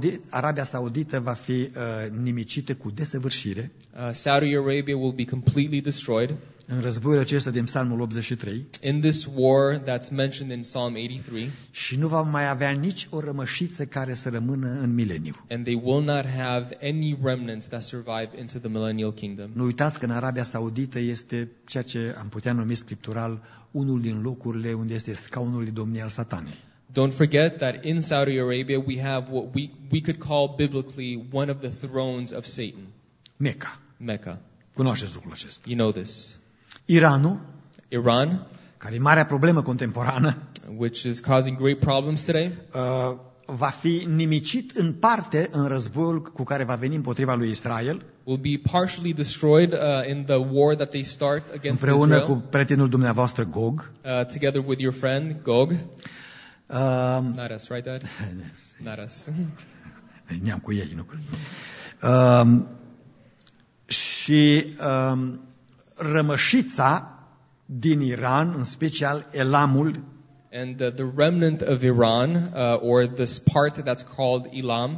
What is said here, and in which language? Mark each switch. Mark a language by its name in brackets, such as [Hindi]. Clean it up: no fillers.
[Romanian] Arabia Saudită va fi nimicită cu desăvârșire. [English] Saudi Arabia will be completely destroyed. [Romanian] În războiul acesta din Psalmul 83. [English] In this war that's mentioned in Psalm 83. [Romanian] Și nu va mai avea nici o rămășiță care să rămână în mileniu. [English] And they will not have any remnants that survive into the millennial kingdom. [Romanian] Nu uitați că în Arabia Saudită este ceea ce am putea numi scriptural unul din locurile unde este scaunul de domnie al Satanei. [English] Don't forget that in Saudi Arabia we have what we could call biblically one of the thrones of Satan. [Romanian] Mecca. [English] Mecca. [Romanian] Cunoașteți lucrul acesta. [English] You know this. [Romanian] Iranul, [English] Iran, [Romanian] care e marea problemă contemporană, [English] which is causing great problems today, [Romanian] va fi nimicit în parte în războiul cu care va veni împotriva lui Israel, [English] will be partially destroyed in the war that they start against [Romanian] Israel, împreună cu prietenul dumneavoastră Gog, [English] together with your friend Gog, not us, right, Dad? Not us. [Romanian] Ne-am cu ei, nu? Și rămășița din Iran, în special Elamul, [English] and the remnant of Iran, or this part that's called Elam,